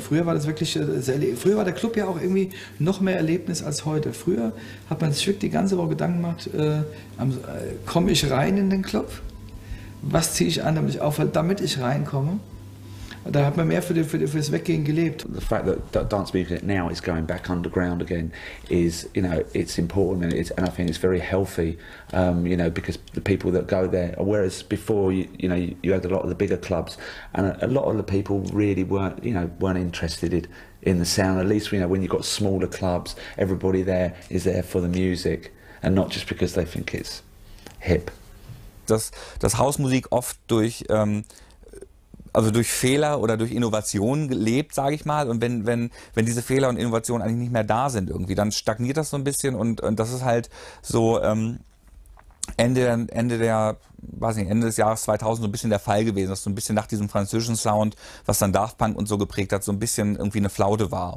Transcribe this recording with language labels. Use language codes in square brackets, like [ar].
[de] Früher war das wirklich, früher war der Club ja auch irgendwie noch mehr Erlebnis als heute. Früher hat man sich wirklich die ganze Woche Gedanken gemacht, komme ich rein in den Club? Was ziehe ich an, damit ich auffalle, damit ich reinkomme? Da hat man mehr für das Weggehen gelebt. [en] The fact that dance music now is going back underground again is, you know, it's important and, it's, and I think it's very healthy, you know, because the people that go there, whereas before, you had a lot of the bigger clubs and a lot of the people really weren't interested in the sound. At least, you know, when you've got smaller clubs, everybody there is there for the music and not just because they think it's hip. [de] Dass Hausmusik oft durch also durch Fehler oder durch Innovationen lebt, sage ich mal. Und wenn diese Fehler und Innovationen eigentlich nicht mehr da sind irgendwie, dann stagniert das so ein bisschen. Und das ist halt so, Ende des Jahres 2000 so ein bisschen der Fall gewesen, dass so ein bisschen nach diesem französischen Sound, was dann Daft Punk und so geprägt hat, so ein bisschen irgendwie eine Flaute war.